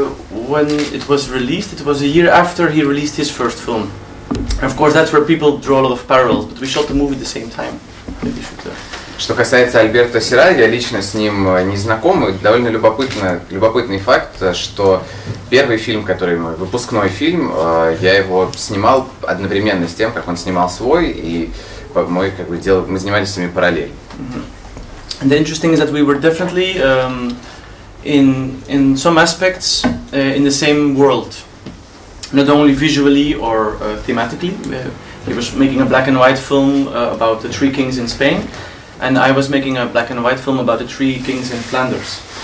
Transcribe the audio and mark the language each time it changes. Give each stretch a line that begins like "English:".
English: When it was released, it was a year after he released his first film. Of course, that's where people draw a lot of parallels, but we shot the movie at the same time. Maybe you should,
Russian: Что касается Альберта Серра, я лично с ним не знаком. И довольно любопытный факт, что первый фильм, который мой, выпускной фильм, я его снимал одновременно с тем, как он снимал свой, и мы занимались ими параллельно. Mm-hmm.
English: The interesting is that we were definitely in some aspects in the same world, not only visually or thematically. He was making a black and white film about the three kings in Spain, and I was making a black and white film about the three kings in Flanders.